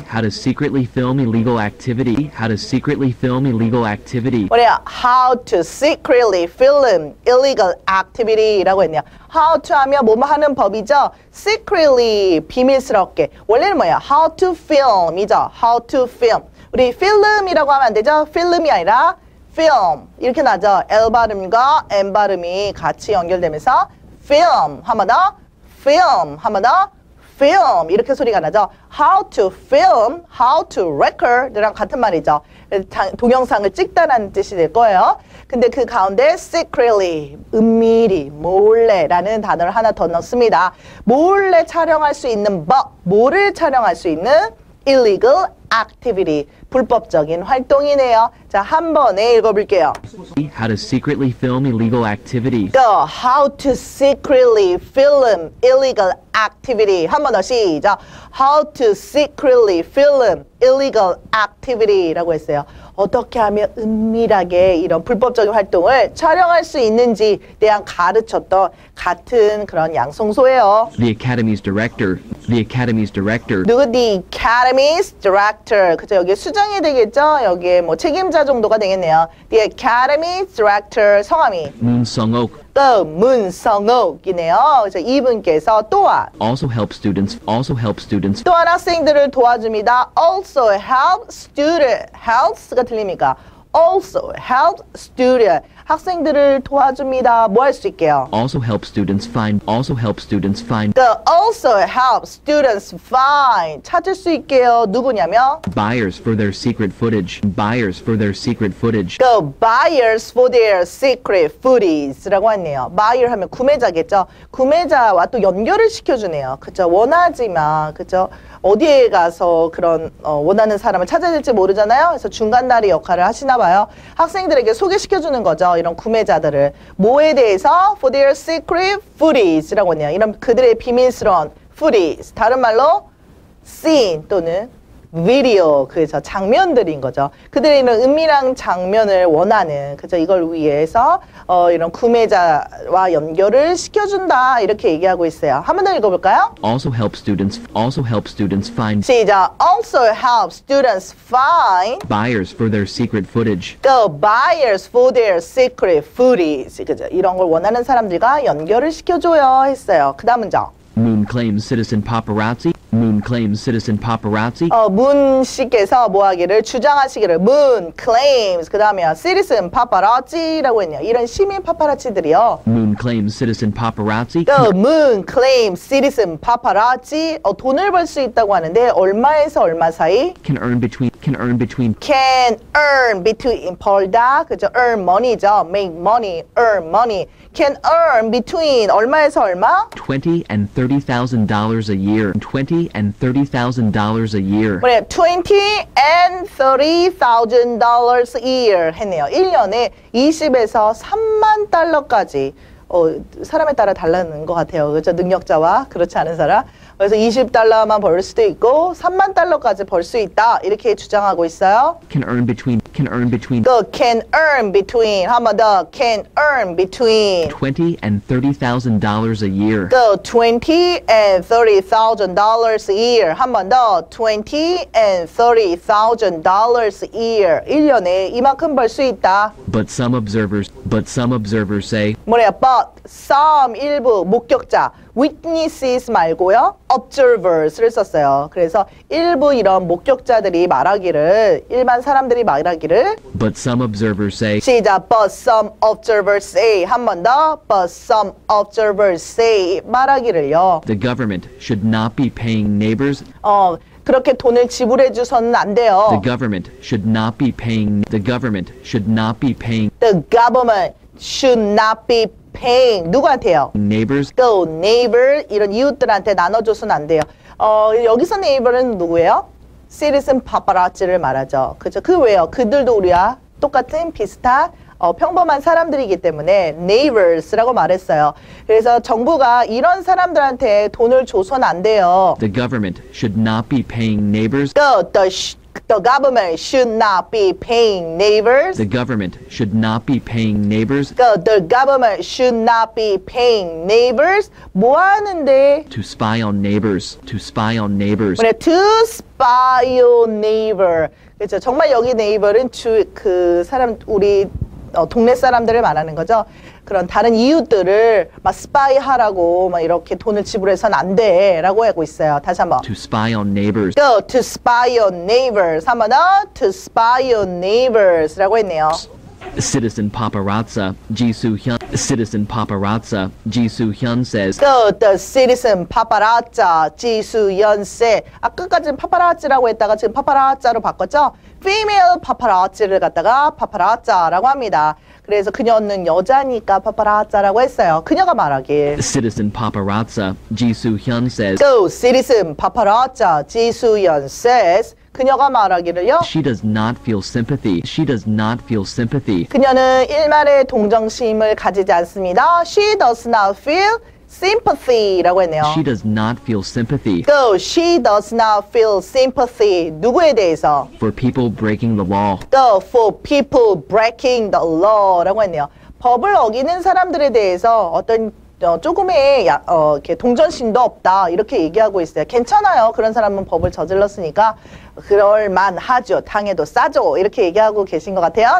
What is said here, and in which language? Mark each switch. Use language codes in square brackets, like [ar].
[en] How to secretly film illegal activity How to secretly film illegal activity [ko] 뭐래요? [en] How to secretly film illegal activity 라고 했네요 How to [ko] 하면 뭐뭐 하는 법이죠? [en] Secretly [ko] 비밀스럽게 원래는 뭐예요? [en] How to film이죠? How to film [ko] 우리 film이라고 하면 안 되죠? film이 아니라 film 이렇게 나죠. L 발음과 M 발음이 같이 연결되면서 film 한 번 더 film 한 번 더 film 이렇게 소리가 나죠. [en] How to film, how to record랑 [ko] 같은 말이죠. 동영상을 찍다라는 뜻이 될 거예요. 근데 그 가운데 secretly, 은밀히, 몰래라는 단어를 하나 더 넣습니다. 몰래 촬영할 수 있는 법, 뭐를 촬영할 수 있는 illegal activity 불법적인 활동이네요. 자, 한 번에 읽어볼게요. [en] How to secretly film illegal activity. Go. How to secretly film illegal activity. [ko] 한 번 더 시작. [en] How to secretly film illegal activity라고 했어요. [ko] 어떻게 하면 은밀하게 이런 불법적인 활동을 촬영할 수 있는지 대한 가르쳤던 같은 그런 양성소예요. [en] The Academy's Director. The Academy's Director. [ko] 누구? [en] The Academy's Director. [ko] 그죠? 여기 수전 부장이 되겠죠? 여기에 뭐 책임자 정도가 되겠네요. [en] The Academy Director 성함이 [ko] 문성옥. The 문성옥이네요. 그래서 이분께서 또한 [en] also help students. Also help students. [ko] 또한 학생들을 도와줍니다. [en] Also help student. [ko] Helps가 틀립니까? [en] Also help student. [ko] 학생들을 도와줍니다. 뭐 할 수 있게요? [en] Also help students find. Also help students find. The also help students find. [ko] 찾을 수 있게요. 누구냐면? [en] Buyers for their secret footage. Buyers for their secret footage. The buyers for their secret footage. [ko] 라고 했네요. Buyer 하면 구매자겠죠? 구매자와 또 연결을 시켜주네요. 그쵸? 원하지만, 그쵸? 어디에 가서 그런 원하는 사람을 찾아야 될지 모르잖아요. 그래서 중간다리 역할을 하시나 봐요. 학생들에게 소개시켜주는 거죠. 이런 구매자들을. 뭐에 대해서? [en] For their secret footage라고 하네요. [ko] 이런 그들의 비밀스러운 footage. 다른 말로 scene 또는 video. 그래서 장면들인 거죠. 그들의 이런 은밀한 장면을 원하는. 그래서 이걸 위해서 이런 구매자와 연결을 시켜준다 이렇게 얘기하고 있어요. 한 번 더 읽어볼까요? [en] Also help students. Also help students find. [ko] 시작. [en] Also help students find buyers for their secret footage. The buyers for their secret footage. [ko] 그죠? 이런 걸 원하는 사람들과 연결을 시켜줘요 했어요. 그다음 문장. [en] Moon claims citizen paparazzi. Moon claims citizen paparazzi. [ko] 문 씨께서 뭐하기를 주장하시기를 [en] Moon claims [ko] 그 다음에 citizen paparazzi라고 했네요. 이런 시민 파파라치들이요. [en] Moon claims citizen paparazzi. The moon claims citizen paparazzi. [ko] 돈을 벌 수 있다고 하는데 얼마에서 얼마 사이? [en] Can earn between. Can earn between. Can earn between [ko] 벌다 그죠? [en] Earn money죠. Make money. Earn money. Can earn between [ko] 얼마에서 얼마? [en] $20,000 and $30,000 a year. $20,000 and $30,000 a year. [ko] 그래, [en] $20,000 and $30,000 a year 했네요. [ko] 1년에 20에서 3만 달러까지. 사람에 따라 다르는 것 같아요. 그렇죠? 능력자와 그렇지 않은 사람. 그래서 $20만 벌 수도 있고 3만 달러까지 벌 수 있다. 이렇게 주장하고 있어요. [en] Can earn between. Can earn between. The can earn between. [ko] 한 번 더. [en] Can earn between. $20,000 and $30,000 a year. The $20,000 and $30,000 a year. [ko] 한 번 더. [en] $20,000 and $30,000 a year. [ko] 1년에 이만큼 벌 수 있다. [en] But some observers say. [ko] 뭐래요? [en] But some [ko] 일부 목격자 witnesses 말고요 observers를 썼어요. 그래서 일부 이런 목격자들이 말하기를 일반 사람들이 말하기를 [en] But some observers say 시작 But some observers say [ko] 한 번 더 [en] But some observers say 말하기를요 The government should not be paying neighbors [ko] 그렇게 돈을 지불해 주선 안 돼요. [en] The government should not be paying The government should not be paying The government should not be paying [ko] 누구한테요? [en] Neighbors. The neighbor [ko] 이런 이웃들한테 나눠줘선 안 돼요. 여기서 neighbor은 누구예요? Citizen paparazzi를 말하죠. 그죠? 그 왜요? 그들도 우리와 똑같은 비슷한 평범한 사람들이기 때문에 neighbors라고 말했어요. 그래서 정부가 이런 사람들한테 돈을 줘선 안 돼요. [en] The government should not be paying neighbors. The government should not be paying neighbors. The government should not be paying neighbors. The government should not be paying neighbors. [ko] 뭐 하는데? [en] To spy on neighbors. To spy on neighbors. To spy on neighbor. [ko] 그렇죠. 정말 여기 neighbor은 그 사람 우리 동네 사람들을 말하는 거죠. 그런 다른 이웃들을 막 스파이 하라고 막 이렇게 돈을 지불해선 안 돼 라고 하고 있어요. 다시 한번 [en] To spy on neighbors Go to spy on neighbors [ko] 한 번 더 [en] To spy on neighbors 라고 했네요. Citizen paparazza Jisoo Hyun Citizen paparazza Jisoo Hyun says Go the citizen paparazza Jisoo Hyun says [ko] 아까까지는 파파라치라고 했다가 지금 파파라자로 바꿨죠? Female paparazzi를 갖다가 파파라자라고 합니다. 그래서 그녀는 여자니까 파파라자라고 했어요. 그녀가 말하길 [en] Citizen paparazza Jisoo Hyun says Go citizen paparazza Jisoo Hyun says [ko] 그녀가 말하기를요. [en] She does not feel sympathy. She does not feel sympathy. [ko] 그녀는 일말의 동정심을 가지지 않습니다. [en] She does not feel sympathy라고 했네요. She does not feel sympathy. So she does not feel sympathy. [ko] 누구에 대해서? [en] For people breaking the law. So for people breaking the law라고 했네요. [ko] 법을 어기는 사람들에 대해서 어떤 조금의 이렇게 동정심도 없다 이렇게 얘기하고 있어요. 괜찮아요. 그런 사람은 법을 저질렀으니까 그럴만하죠. 당해도 싸죠. 이렇게 얘기하고 계신 것 같아요.